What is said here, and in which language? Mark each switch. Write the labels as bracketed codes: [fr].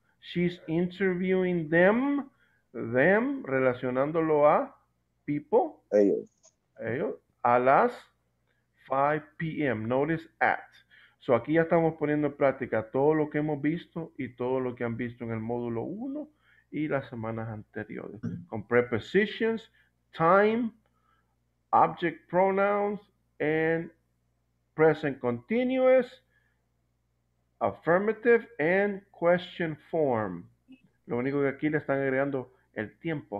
[en] She's interviewing them, [es] relacionándolo a [en] people. [es] Ellos. A las 5 p.m. [en] Notice at. [es] So aquí ya estamos poniendo en práctica todo lo que hemos visto y todo lo que han visto en el módulo 1 y las semanas anteriores. Mm-hmm. Con [en] prepositions, time, object pronouns, and present continuous, affirmative, and question form. [es] Lo único que aquí le están agregando el tiempo.